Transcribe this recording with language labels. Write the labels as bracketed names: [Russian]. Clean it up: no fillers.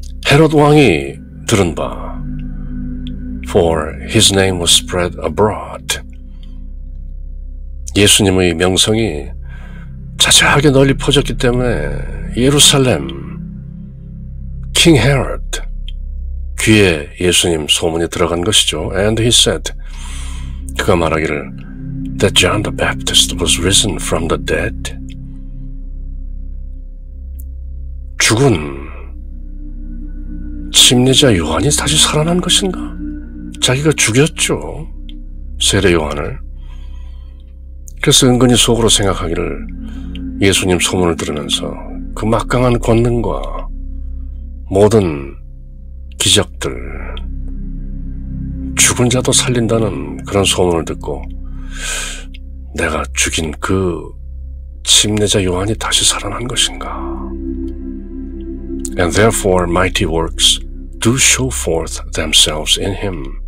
[Korean] 헤롯 왕이 들은 바, [English] for his name was spread abroad. [Korean] 예수님의 명성이 자세하게 널리 퍼졌기 때문에 예루살렘 King Herod 귀에 예수님 소문이 들어간 것이죠. [English] And he said, [Korean] 그가 말하기를, [English] that John the Baptist was risen from the dead. [Korean] 죽은 침례자 요한이 다시 살아난 것인가? 자기가 죽였죠, 세례 요한을. 그래서 은근히 속으로 생각하기를, 예수님 소문을 들으면서 그 막강한 권능과 모든 기적들, 죽은 자도 살린다는 그런 소문을 듣고, 내가 죽인 그 침례자 요한이 다시 살아난 것인가? [English] And therefore mighty works do show forth themselves in him.